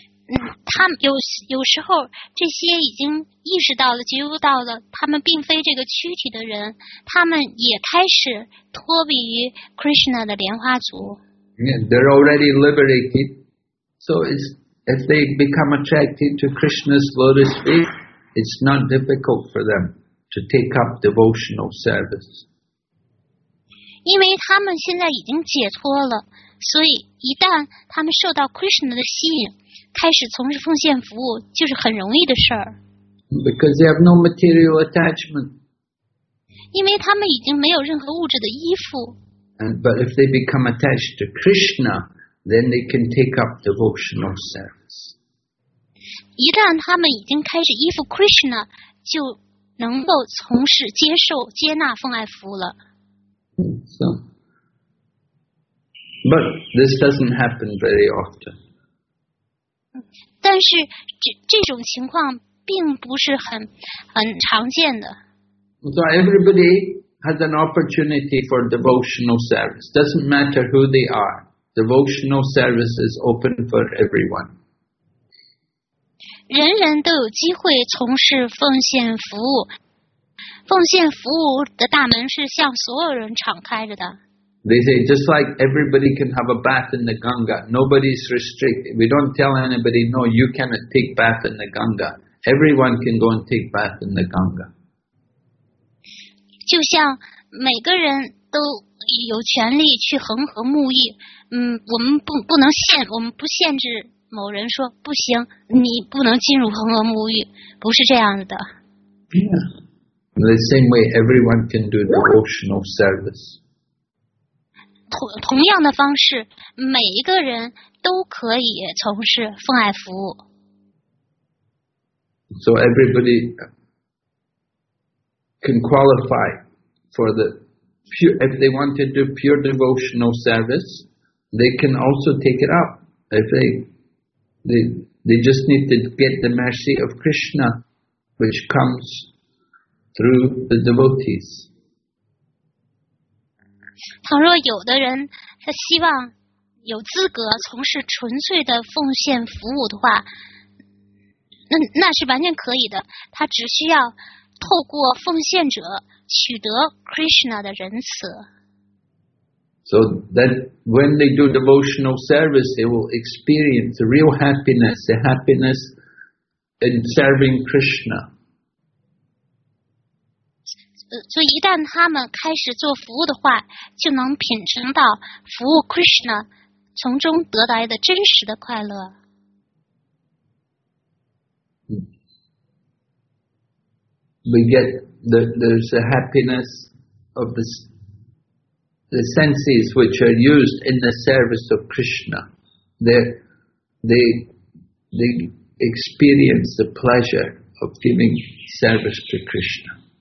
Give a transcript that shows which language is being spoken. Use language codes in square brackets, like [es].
[zh] 他们有时候这些已经意识到了、觉悟到了，他们并非这个躯体的人，他们也开始脱离于 Krishna 的莲花足。 [en] Yeah, they're already liberated, so it's. If they become attracted to Krishna's lotus feet, it's not difficult for them to take up devotional service. [zh] 因为他们现在已经解脱了，所以一旦他们受到 Krishna 的吸引，开始从事奉献服务，就是很容易的事儿。 [en] Because they have no material attachment. [zh] 因为他们已经没有任何物质的依附。 [en] But if they become attached to Krishna,then they can take up devotional service. [zh] 一旦他们已经开始依附 Krishna, 就能够从事接受接纳奉爱服务了。 [en] So, but this doesn't happen very often. [zh] 但是 这种情况并不是很常见的。 [en] So everybody has an opportunity for devotional service. Doesn't matter who they are. Devotional service is open for everyone. [zh] 人人都有机会从事奉献服务。奉献服务的大门是向所有人敞开着的。 [en] They say, just like everybody can have a bath in the Ganga, nobody's restricted. We don't tell anybody, no, you cannot take bath in the Ganga. Everyone can go and take bath in the Ganga. [zh] 就像每个人都有权利去恒河沐浴，我们不能限，我们不限制某人说，不行，你不能进入恒河沐浴，不是这样的。 [en] Yeah. The same way everyone can do devotional service. [zh] 同样的方式，每一个人都可以从事奉爱服务。 [en] So everybody can qualify for the pure, if they want to do pure devotional service, they can also take it up. If they just need to get the mercy of Krishna, which comes through the devotees. [zh] 倘若有的人他希望有资格从事纯粹的奉献服务的话，那是完全可以的。他只需要透过奉献者取得 Krishna 的仁慈。 [en] So that when they do devotional service, they will experience real happiness, the happiness in serving Krishna. [zh] 所以一旦他们开始做服务的话，就能品尝到服务 Krishna 从中得来的真实的快乐。 [en] We get there's a happiness of the senses which are used in the service of Krishna. They experience the pleasure of giving service to Krishna.